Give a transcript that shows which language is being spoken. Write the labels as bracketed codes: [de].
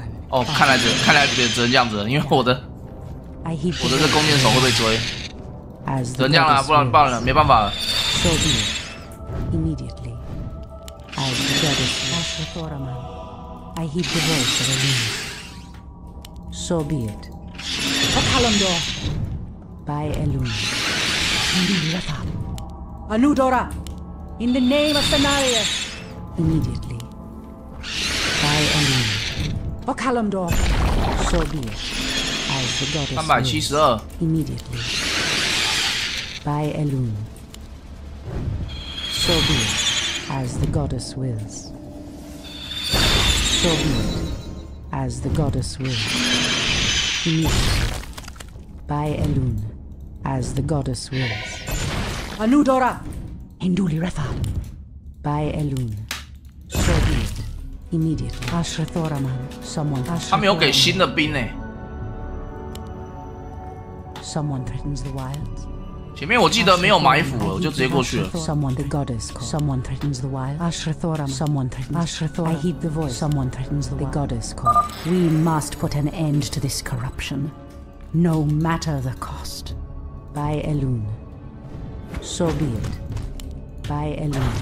[zh] 哦，看来只能这样子了，因为我的这弓箭手会被追。只能这样了，不然了，没办法了。 [en] Immediately, as the goddess Ashra Thoraman, I heed the voice of Elune. So be it. O Kalimdor, by Elune. Indeed, Rafa. Anudora, in the name of Thanarius. Immediately, by Elune. O Kalimdor, so be it. As the goddess. 372. Immediately. By Elune. So be it, as the goddess wills. So be it, as the goddess wills. By Elune, as the goddess wills. Anudora, Induli Retha. By Elune. So be it, immediately. Ashra Thoraman, someone. [zh] 他没有给新的兵呢。 [en] Someone threatens the wilds. [zh] 前面我记得没有埋伏了，我就直接过去了。 [en] Someone the goddess calls. Someone threatens the wild. Ashra Thoraman. Someone threatens. Ashra Thoraman. I heed the voice. Someone threatens the goddess calls. We must put an end to this corruption, no matter the cost. By Elune. So be it. By Elune.